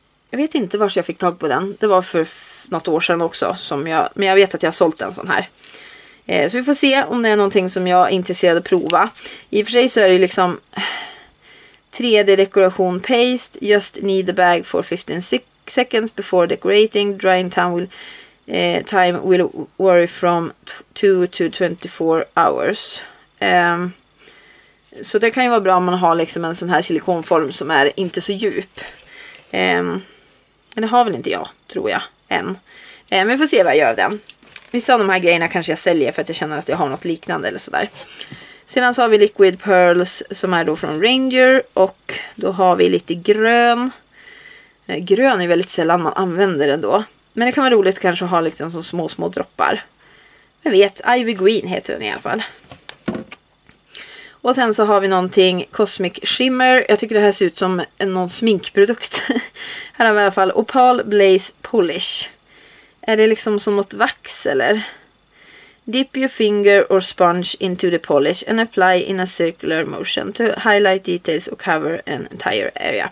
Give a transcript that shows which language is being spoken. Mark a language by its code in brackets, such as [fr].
[sv] Jag vet inte var jag fick tag på den. Det var för något år sedan också. Men jag vet att jag har sålt en sån här. Så vi får se om det är någonting som jag är intresserad att prova. I och för sig så är det liksom 3D-dekoration paste. [en] Just need the bag for 15 seconds before decorating. Drying time will vary from 2 to 24 hours. [sv] Så det kan ju vara bra om man har liksom en sån här silikonform som är inte så djup. Men det har väl inte jag, tror jag, än. Men vi får se vad jag gör av den. Vissa av de här grejerna kanske jag säljer för att jag känner att jag har något liknande eller sådär. Sedan så har vi Liquid Pearls som är då från Ranger. Och då har vi lite grön. Grön är väldigt sällan man använder ändå. Men det kan vara roligt kanske att ha liksom så små, små droppar. Jag vet, Ivy Green heter den i alla fall. Och sen så har vi någonting Cosmic Shimmer. Jag tycker det här ser ut som någon sminkprodukt. Här har vi i alla fall Opal Blaze Polish. Är det liksom som något vax eller? [en] Dip your finger or sponge into the polish and apply in a circular motion to highlight details or cover an entire area.